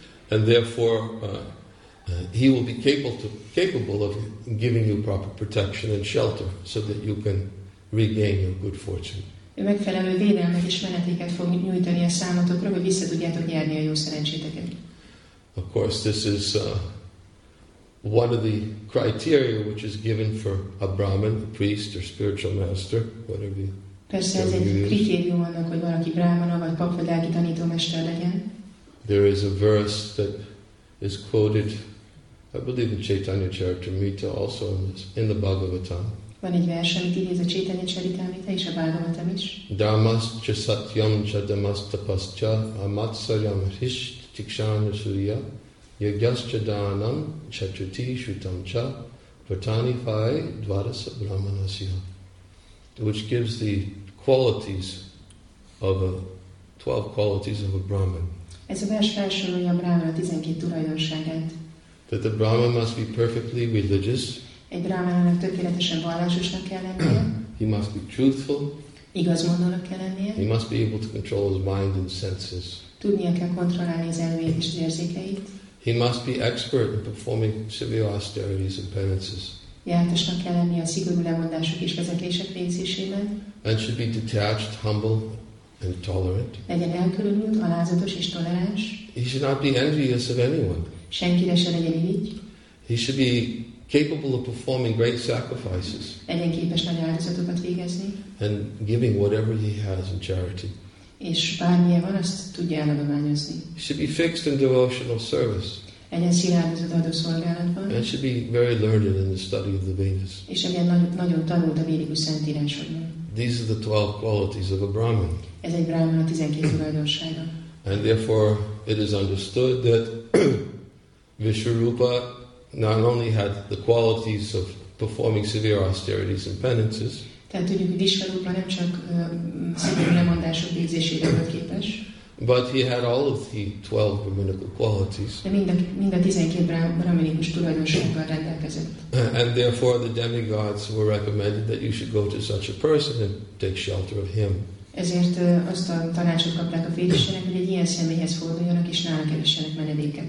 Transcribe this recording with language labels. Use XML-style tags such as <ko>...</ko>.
<en>And therefore, he will be capable of giving you proper protection and shelter so that you can regain your good fortune.</en> <hu>Ő megfelelő védelmet és menetéket fog nyújtani a számotokra, hogy vissza tudjátok nyerni a jó szerencséteket.</hu> <en>Of course, this is one of the criteria which is given for a Brahmin, a priest or spiritual master, whatever you use.</en> <hu>Persze ez egy kritérium annak, hogy valaki brahmana vagy pap vagy lelki tanítómester legyen.</hu> <en>There is a verse that is quoted, I believe, in Chaitanya Charitamrita, also in the Bhagavatam.</en> <hu>Van egy vers, amit idéz a Chaitanya Charitamrita és a Bhagavatam is.</hu> <sa>Dharmascha satyam cha dhammastapascha amatsaryam hrisht tikshana surya yagyascha dhanam chatruti shrutam cha vartani phai dvarasa brahmanasya,</sa> <en>which gives the qualities of a 12 qualities of a Brahman.</en> <hu>Ez a vers felsorolja a Brahma 12 tulajdonságát.</hu> <en>That the Brahma must be perfectly religious.</en> <hu>Egy Brahmanának tökéletesen vallásosnak kell lennie.</hu> <en>He must be truthful.</en> <hu>Igazmondónak kell lennie.</hu> <en>He must be able to control his mind and senses.</en> <hu>Tudnia kell kontrollálni az elmét és az érzékeit.</hu> <en>He must be expert in performing severe austerities and penances.</en> <hu>Jártasnak kell lennie a szigorú lemondások és vezetések végzésében.</hu> <en>And should be detached, humble, and tolerant.</en> <hu>Legyen elkülönült, alázatos és toleráns.</hu> <en>He should not be envious of anyone.</en> <hu>Senkire se legyen irigy.</hu> <en>He should be capable of performing great sacrifices.</en> <hu>Legyen képes nagy áldozatokat végezni.</hu> <en>And giving whatever he has in charity.</en> <hu>És bármilyen van, azt tudja eladományozni.</hu> <en>He should be fixed in devotional service.</en> <hu>egyensi áldozat adó szolgálatban.</hu> <en>And should be very learned in the study of the Vedas.</en> <hu>És egy nagyon tanult a védikus szentírásokban.</hu> <en>These are the 12 qualities of a Brahmin.</en> <hu>Ez egy Brahmin a 12 tulajdonsága.</hu> <en>And therefore it is understood that Vishwarupa not only had the qualities of performing severe austerities and penances.</en> <hu>Tehát tudjuk, hogy Vishwarupa nem csak szigorú lemondások végzésére volt képes.</hu> <en>But he had all of the 12 brahminical qualities.</en> <hu>Mind a 12 brahminikus tulajdonsággal rendelkezett.</hu> <en>And therefore the demigods were recommended that you should go to such a person and take shelter of him.</en> <hu>Ezért azt a tanácsot kapták a védőseknek, hogy egy ilyen személyhez forduljanak és nála keressenek menedéket.</hu>